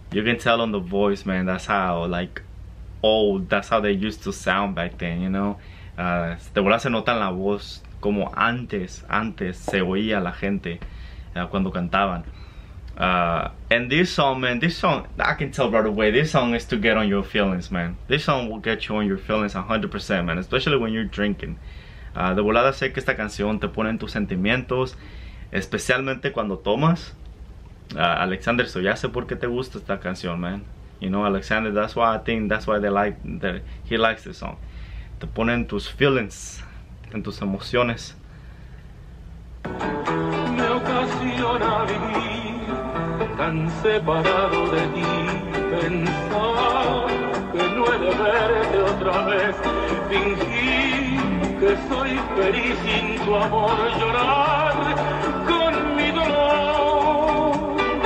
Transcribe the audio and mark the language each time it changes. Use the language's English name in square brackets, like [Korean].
[English] You can tell on the voice, man, that's how, like, old, that's how they used to sound back then, you know? [Spanish] De verdad se nota en la voz como antes se oía la gente cuando cantaban. [English] And this song, man, this song, I can tell right away, this song is to get on your feelings, man. This song will get you on your feelings 100%, man, especially when you're drinking. [Spanish] De volada sé que esta canción te pone en tus sentimientos, especialmente cuando tomas. Alexander, so ya sé por qué te gusta esta canción, man. [English] You know, Alexander, that's why they like, that he likes this song. [Spanish] Te pone en tus feelings, en tus emociones. Me ocasiona vivir. Tan separado de ti, pensar que no he de verte otra vez, fingir que soy feliz sin tu amor, llorar con mi dolor.